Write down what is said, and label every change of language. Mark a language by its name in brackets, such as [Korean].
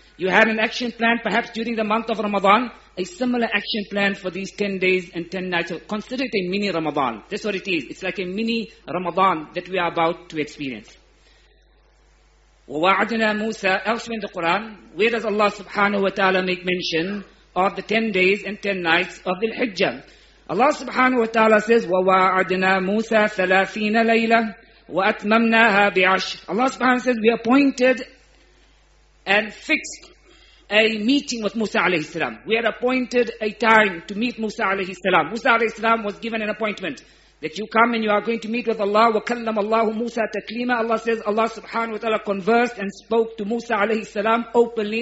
[English] You have an action plan perhaps during the month of Ramadan. A similar action plan for these 10 days and 10 nights. So consider it a mini Ramadan. That's what it is. It's like a mini Ramadan that we are about to experience. [Arabic] وَوَعَدْنَا مُوسَى. [English] Elsewhere in the Quran, where does Allah subhanahu wa ta'ala make mention of the 10 days and 10 nights of the Hijjah? Allah subhanahu wa ta'ala says, [Arabic] وَوَاعَدْنَا مُوسَى ثَلَاثِينَ لَيْلًا وَأَتْمَمْنَاهَا بِعَشْرٍ. [English] Allah subhanahu wa ta'ala says, we appointed and fixed a meeting with Musa alayhi salam. We had appointed a time to meet Musa alayhi salam. Musa alayhi salam was given an appointment that you come and you are going to meet with Allah. [Arabic] وَكَلَّمَ اللَّهُ مُوسَى تَكْلِيمًا. [English] Allah says, Allah subhanahu wa ta'ala conversed and spoke to Musa alayhi salam openly.